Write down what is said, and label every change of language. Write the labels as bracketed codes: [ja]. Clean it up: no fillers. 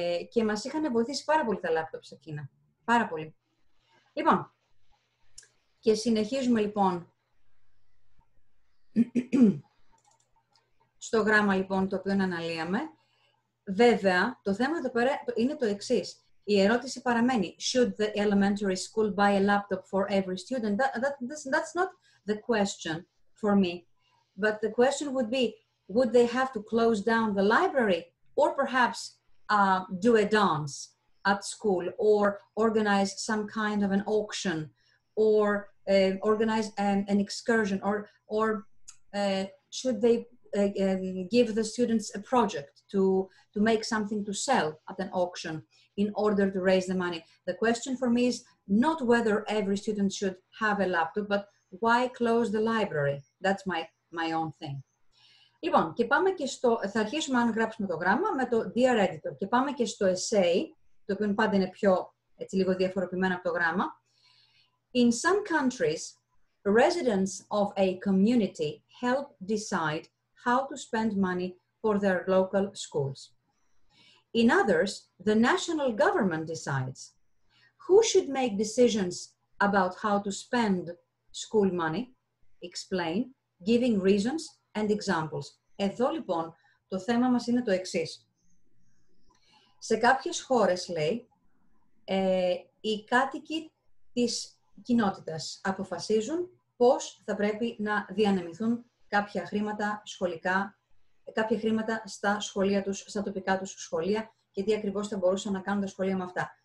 [el] Και μας είχαν βοηθήσει πάρα πολύ τα λάπτοπ σε εκείνα. Πάρα πολύ. Λοιπόν, και συνεχίζουμε λοιπόν στο γράμμα λοιπόν το οποίο αναλύαμε. Βέβαια, το θέμα εδώ πέρα είναι το εξής. Η ερώτηση παραμένει, [en] should the elementary school buy a laptop for every student? That's not the question for me. But the question would be, would they have to close down the library or perhaps do a dance at school, or organize some kind of an auction, or organize an excursion, or should they give the students a project to make something to sell at an auction in order to raise the money? The question for me is not whether every student should have a laptop, but why close the library? That's my own thing. [el] Λοιπόν, και πάμε και στο, θα αρχίσουμε αν γράψουμε το γράμμα με το Dear Editor, και πάμε και στο essay, το οποίο πάντα είναι πιο, έτσι, λίγο διαφοροποιημένο από το γράμμα. [en] In some countries, residents of a community help decide how to spend money for their local schools. In others, the national government decides. Who should make decisions about how to spend school money? Explain, giving reasons and examples. [el] Εδώ λοιπόν, το θέμα μας είναι το εξής. Σε κάποιες χώρες, λέει, οι κάτοικοι της κοινότητας αποφασίζουν πώς θα πρέπει να διανεμηθούν κάποια χρήματα σχολικά, κάποια χρήματα στα σχολεία τους, στα τοπικά τους σχολεία, και τι ακριβώς θα μπορούσαν να κάνουν τα σχολεία με αυτά.